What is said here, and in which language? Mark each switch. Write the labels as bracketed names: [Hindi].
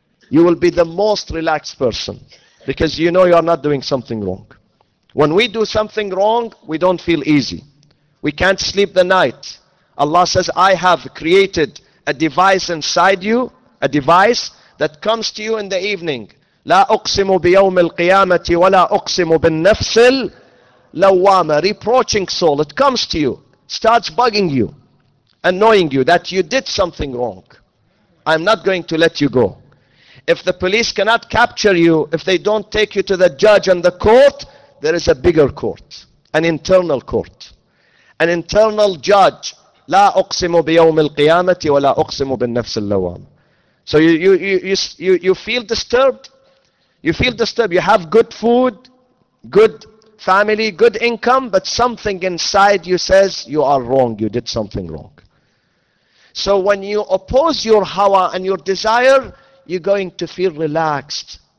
[English] You will be the most relaxed person because you know you are not doing something wrong. When we do something wrong, we don't feel easy. We can't sleep the night. Allah says, I have created a device inside you, a device that comes to you in the evening. [Arabic] لا أقسم بيوم القيامة ولا أقسم بالنفس اللوامة. [English] Reproaching soul. It comes to you. Starts bugging you. Annoying you that you did something wrong. I'm not going to let you go. If the police cannot capture you, if they don't take you to the judge and the court, there is a bigger court, an internal court, an internal judge. [Arabic] لا أقسم بيوم القيامة ولا أقسم بالنفس اللوام. [English] So you feel disturbed. You feel disturbed. You have good food, good family, good income, but something inside you says you are wrong. You did something wrong. So when you oppose your hawa and your desire, you're going to feel relaxed.